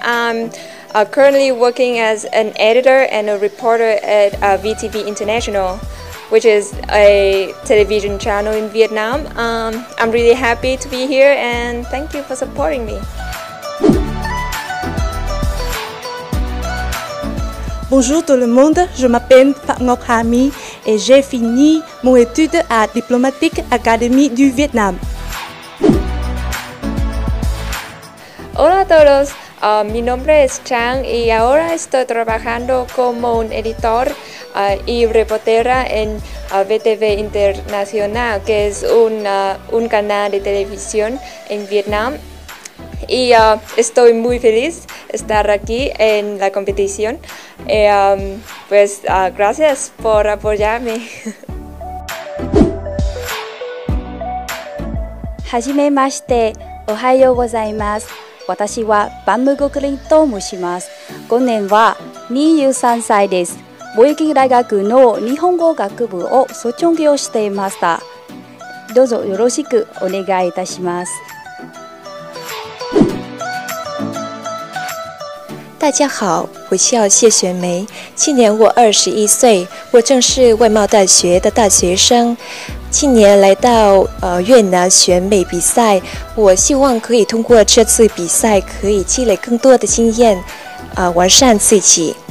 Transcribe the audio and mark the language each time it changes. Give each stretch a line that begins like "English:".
English: I'm currently working as an editor and a reporter at VTV International, which is a television channel in Vietnam. I'm really happy to be here and thank you for supporting me.
French: Bonjour tout le monde, je m'appelle Phat Ngoc Ha My et j'ai fini mon étude à Diplomatique Académie du Vietnam.
Spanish: Hola a todos, Mi nombre es Chang y ahora estoy trabajando como un editor y reportera en VTV Internacional, que es un canal de televisión en Vietnam. Y estoy muy feliz estar aquí en la competición. Gracias por apoyarme.
Japanese: はじめまして、おはようございます。私はバンムゴクリンと申します。今年は23歳です。貿易大学の日本語学部を卒業していました。どうぞよろしくお願いいたします。
Chinese: 大家好，我叫谢玄梅，今年我21岁，我正是外贸大学的大学生。今年来到越南选美比赛，我希望可以通过这次比赛可以积累更多的经验，完善自己。